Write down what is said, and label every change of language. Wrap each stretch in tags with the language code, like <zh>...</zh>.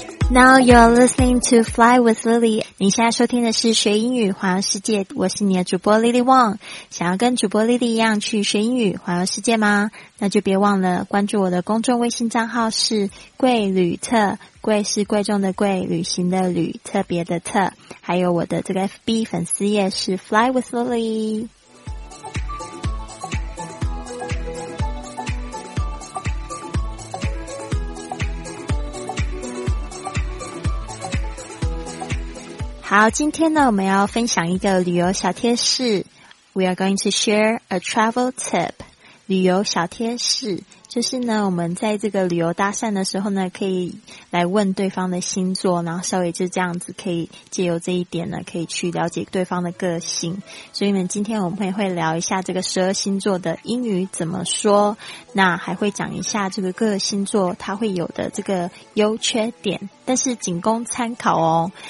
<en>Now you're listening to Fly with Lily.</en> <zh>你现在收听的是学英语环游世界，我是你的主播 Lily Wong。想要跟主播 Lily 一样去学英语环游世界吗？那就别忘了关注我的公众微信账号，是贵旅特，贵是贵重的贵，旅行的旅，特别的特。还有我的这个 FB 粉丝页是 Fly with Lily。好，今天呢，我们要分享一个旅游小贴士。</zh> <en>We are going to share a travel tip.</en> <zh>旅游小贴士，就是呢，我们在这个旅游搭讪的时候呢，可以来问对方的星座，然后稍微就这样子，可以借由这一点呢，可以去了解对方的个性。所以呢，今天我们会聊一下这个十二星座的英语怎么说，那还会讲一下这个各个星座它会有的这个优缺点，但是仅供参考哦。</zh>